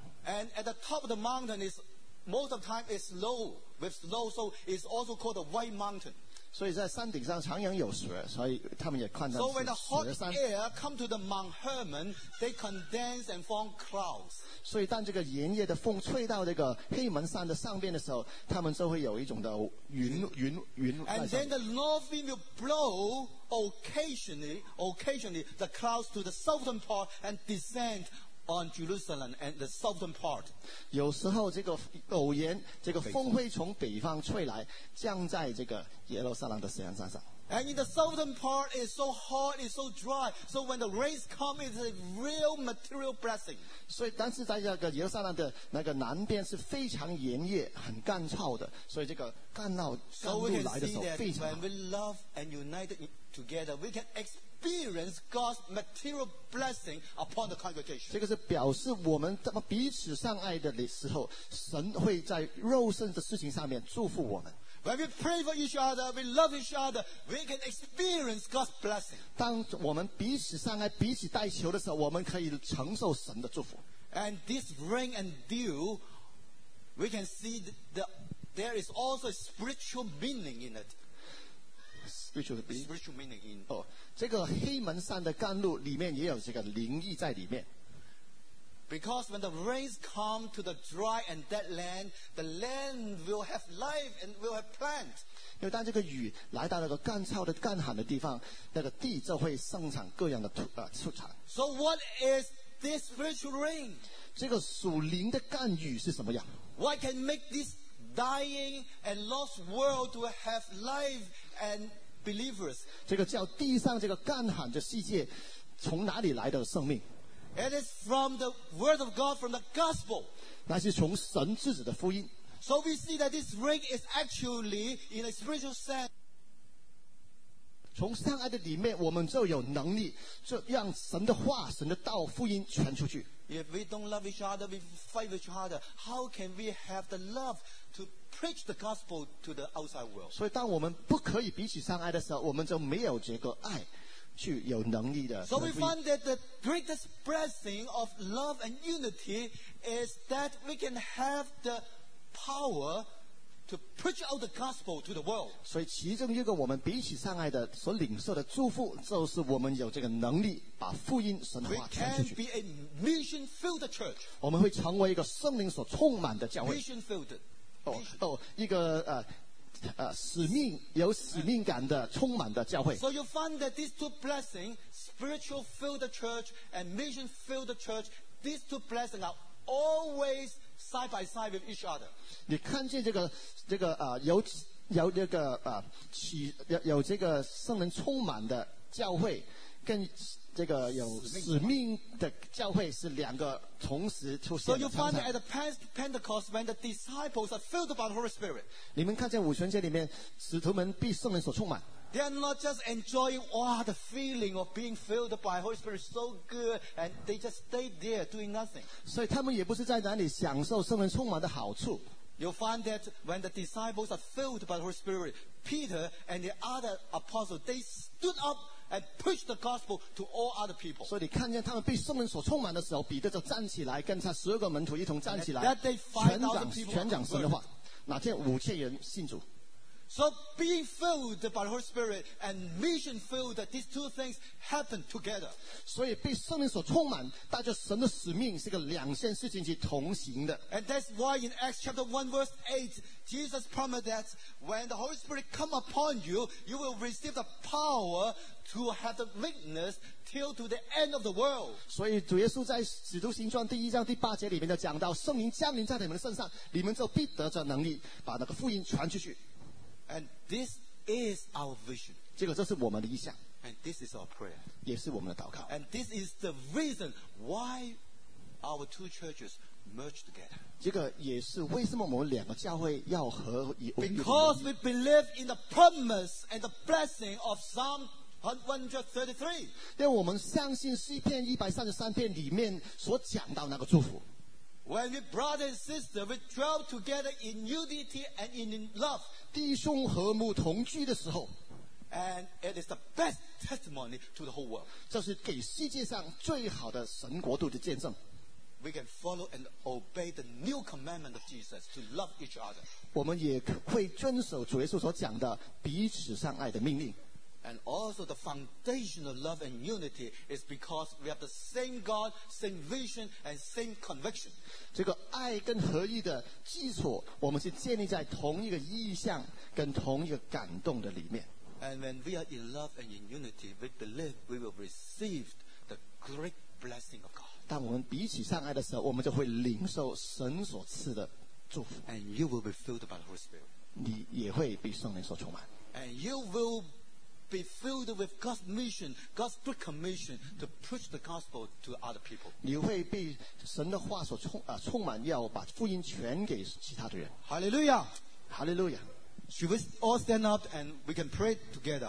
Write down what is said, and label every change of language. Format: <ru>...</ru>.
<en>And at the top of the mountain is most of the time is low with snow, so it's also called the White Mountain.</en> <zh>所以在山顶上常常有雪，所以他们也看到。</zh> <en>So when the hot air come to the Mount Hermon, they condense and form clouds.</en> <zh>所以当这个炎热的风吹到这个黑门山的上边的时候，他们就会有一种的云。</zh> <en>And then the north wind will blow occasionally the clouds to the southern part and descend on Jerusalem and the southern part.</en> <zh>有时候这个偶然这个风会从北方吹来，降在这个耶路撒冷的山上。</zh> <en>And in the southern part, it's so hot, it's so dry. So when the rains come, it's a real material blessing.</en> <zh>所以，但是在这个耶路撒冷的那个南边是非常炎热、很干燥的。所以这个干燥甘露来的时候非常好。</zh> <en>So we can see that when we love and united together, we can experience God's material blessing upon the congregation.</en> <zh>这个是表示我们这么彼此相爱的时候，神会在肉身的事情上面祝福我们。</zh> <en>When we pray for each other, we love each other, we can experience God's blessing.</en> <zh>当我们彼此相爱、彼此代求的时候，我们可以承受神的祝福。</zh> <en>And this rain and dew, we can see that there is also a spiritual meaning in it. Spiritual meaning in it.</en> <zh>这个黑门山的甘露里面也有这个灵意在里面。</zh> <en>Because when the rains come to the dry and dead land, the land will have life and will have plant.</en> <zh>因为当这个雨来到那个干燥的干旱的地方，那个地就会生产各样的出产。</zh> <en>So what is this spiritual rain?</en> <zh>这个属灵的甘雨是什么样？</zh> <en>What can make this dying and lost world will have life and believers.</en> <zh>这个叫地上这个干旱的世界，从哪里来的生命？</zh> <en>It is from the word of God, from the gospel.</en> <zh>那是从神自己的福音。</zh> <en>So we see that this ring is actually in a spiritual sense.</en> <zh>从上爱的里面，我们就有能力，就让神的话、神的道、福音传出去。</zh> <en>If we don't love each other, we fight with each other. How can we have the love to preach the gospel to the outside world?</en> <zh>所以，当我们不可以彼此相爱的时候，我们就没有这个爱，去有能力的。</zh> <en>So we find that the greatest blessing of love and unity is that we can have the power. To preach out the gospel to the world.</en> <zh>所以其中一个我们彼此相爱的所领受的祝福，就是我们有这个能力把福音神话传出去。</zh> <en>We can be a mission-filled church.</en> <zh>我们会成为一个圣灵所充满的教会。</zh> <en>Mission-filled.</en> <zh>一个使命有使命感的充满的教会。</zh> <en>So you find that these two blessings—spiritual-filled church and mission-filled church—these two blessings are always. Side by side with each other.</en> <zh>你看见这个有这个起有这个圣灵充满的教会，跟这个有使命的教会是两个同时出现的。</zh> <en>So you find at the Pentecost when the disciples are filled by the Holy Spirit.</en> <zh>你们看见五旬节里面使徒们被圣灵所充满。</zh> <en>They are not just enjoying the feeling of being filled by Holy Spirit so good, and they just stay there doing nothing.</en> <zh>所以他们也不是在哪里享受圣灵充满的好处。</zh> <en>You find that when the disciples are filled by the Holy Spirit, Peter and the other apostles, they stood up and preached the gospel to all other people.</en> <zh>所以你看见他们被圣灵所充满的时候，彼得就站起来，跟他十二个门徒一同站起来，全讲神的话，哪天五千人信主。</zh> <en>So being filled by the Holy Spirit and mission filled, these two things happen together.</en> <zh>所以被圣灵所充满，带着神的使命，是个两件事情是同行的。</zh> <en>And that's why in Acts chapter 1 verse 8, Jesus promised that when the Holy Spirit come upon you, you will receive the power to have the witness till to the end of the world.</en> <zh>所以主耶稣在使徒行传第一章第八节里面就讲到，圣灵降临在你们的身上，你们就必得着能力，把那个福音传出去。</zh> <en>And this is our vision.</en> <zh>这个就是我们的意向。</zh> <en>And this is our prayer.</en> <zh>也是我们的祷告。</zh> <en>And this is the reason why our two churches merged together.</en> <zh>这个也是为什么我们两个教会要合一。</zh> <en>Because we believe in the promise and the blessing of Psalm 133.</en> <zh>因为我们相信诗篇133篇里面所讲到那个祝福。</zh> <en>When we brother and sister we dwell together in unity and in love,</en> <zh>弟兄和睦同居的时候，</zh> <en>and it is the best testimony to the whole world.</en> <zh>这是给世界上最好的神国度的见证。</zh> <en>We can follow and obey the new commandment of Jesus to love each other.</en> <zh>我们也会遵守主耶稣所讲的彼此相爱的命令。</zh> <en>And also the foundation of love and unity is because we have the same God, same vision, and same conviction.</en> <zh>这个爱跟合一的基础，我们是建立在同一个意向跟同一个感动的里面。</zh> <en>And when we are in love and in unity, we believe we will receive the great blessing of God.</en> <zh>当我们彼此相爱的时候，我们就会领受神所赐的祝福。</zh> <en>And you will be filled by the Holy Spirit.</en> <zh>你也会被圣灵所充满。</zh> <en>And you will. Be filled with God's mission, God's great commission to preach the gospel to other people.</en> <zh>你会被神的话所充满，要把福音传给其他的人。</zh> <en>Hallelujah, Hallelujah. Should we all stand up and we can pray together?</en>